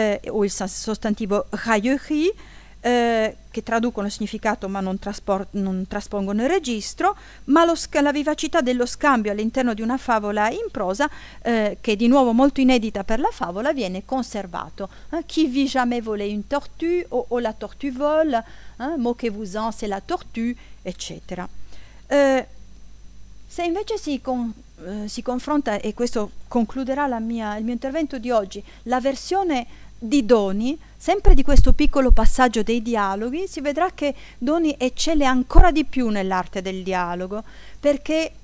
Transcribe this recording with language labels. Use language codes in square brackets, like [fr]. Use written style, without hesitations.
[it] o il sostantivo raillerie, che traducono il significato ma non traspongono il registro, ma la vivacità dello scambio all'interno di una favola in prosa, che è di nuovo molto inedita per la favola, viene conservato. [fr] Chi vit jamais voler une tortue, [it] o [fr] la tortue vole, moquez-vous-en, c'est la tortue, [it] eccetera. Se invece si confronta, e questo concluderà il mio intervento di oggi, la versione di Doni, sempre di questo piccolo passaggio dei dialoghi, si vedrà che Doni eccelle ancora di più nell'arte del dialogo, perché